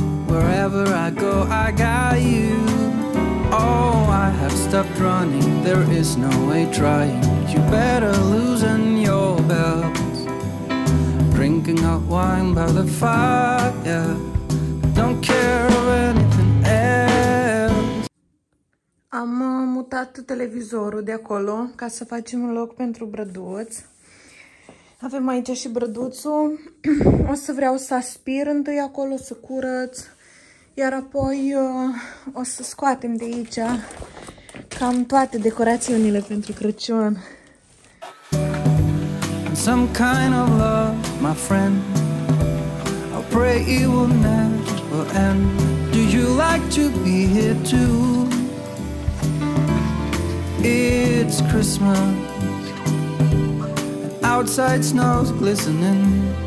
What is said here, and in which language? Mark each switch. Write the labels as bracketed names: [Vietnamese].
[English] Wherever I go, I got you. Oh, I have stopped running, there is no way trying. You better loosen your belt. Drinking hot wine by the fire. Don't care of anything else. [Romanian] Am mutat televizorul de acolo ca să facem un loc pentru brăduț. Avem aici și brăduțul. O să vreau să aspir întâi acolo, să curăț. Iar apoi o să scoatem de aici cam toate decorațiunile pentru Crăciun. [English] Some kind of love, my friend, I pray it will never end. Do you like to be here too? It's Christmas, outside snow's glistening.